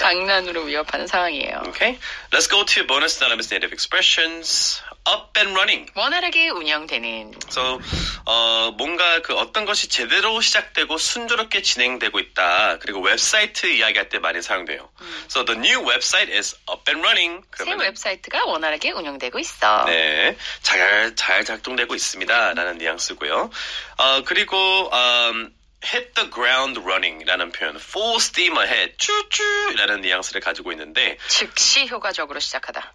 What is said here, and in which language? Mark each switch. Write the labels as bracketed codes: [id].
[ko] 장난으로 위협하는 상황이에요. [en] Okay. Let's go to bonus dynamics native expressions. Up and running. [ko] 원활하게 운영되는. So, 뭔가 그 어떤 것이 제대로 시작되고 순조롭게 진행되고 있다. 그리고 웹사이트 이야기할 때 많이 사용돼요. [en] So, the new website is up and running. [ko] 그러면, 새 웹사이트가 원활하게 운영되고 있어. 네. 잘 작동되고 있습니다. 라는 뉘앙스고요. 그리고, hit the ground running 라는 표현 full steam ahead 쭈쭈 라는 뉘앙스를 가지고 있는데 즉시 효과적으로 시작하다